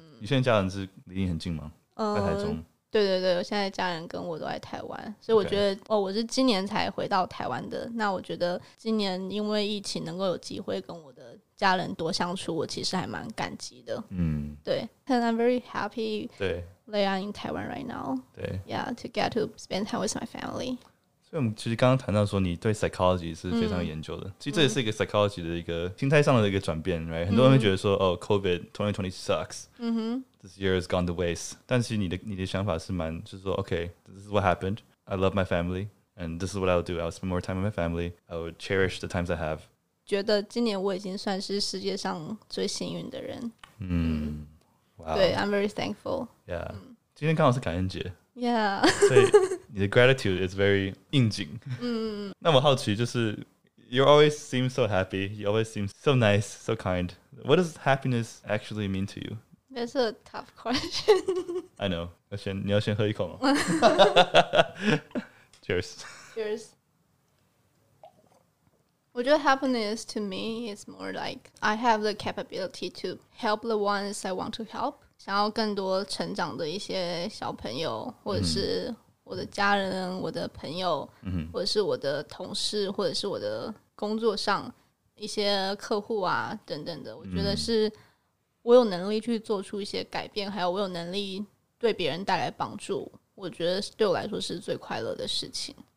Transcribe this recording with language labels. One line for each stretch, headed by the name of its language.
Chinese: 你现在家人是离你很近吗？在台中。对对对，我现在家人跟我都在台湾，所以我觉得、okay. 哦，我是今年才回到台湾的。那我觉得今年因为疫情能够有机会跟我的家人多相处，我其实还蛮感激的。嗯，对
English: ，and I'm very happy.
Chinese: 对
English: ，they are in Taiwan right now.
Chinese: 对
English: ，yeah, to get to spend time with my family.
Chinese: 所以我们其实刚刚谈到说，你对 psychology 是非常研究的。其实这也是一个 psychology 的一个心态上的一个转变 ，right？ 很多人会觉得说，哦 ，
English: COVID 2020 sucks。
Chinese: 嗯哼。
English: This year has gone to waste.
Chinese: 但其实你的想法是蛮，就是说，
English: OK, this is what happened. I love my family, and this is what I'll do. I'll spend more time with my family. I will cherish the times I have.
Chinese: 觉得今年我已经算是世界上最幸运的人。
English: Wow.
Chinese: 对
English: ，I'm very thankful. Yeah.
Chinese: 今天刚好是感恩节。
English: Yeah.
Chinese: 所以你的
English: gratitude is very
Chinese: 应景。那我好奇就是
English: ，you always seem so happy. You always seem so nice, so kind. What does happiness actually mean to you? That's a tough question. I know.
Chinese: 你要先喝一口吗Cheers.
English: Cheers.
Chinese: 我觉得
English: happiness to me is more like I have the capability to help the ones I want to help.
Chinese: 想要更多成长的一些小朋友，或者是我的家人，我的朋友，或者是我的同事，或者是我的工作上一些客户啊等等的，我觉得是。我有能力去做出一些改变，还有我有能力对别人带来帮助，我觉得对我来说是最快乐的事情。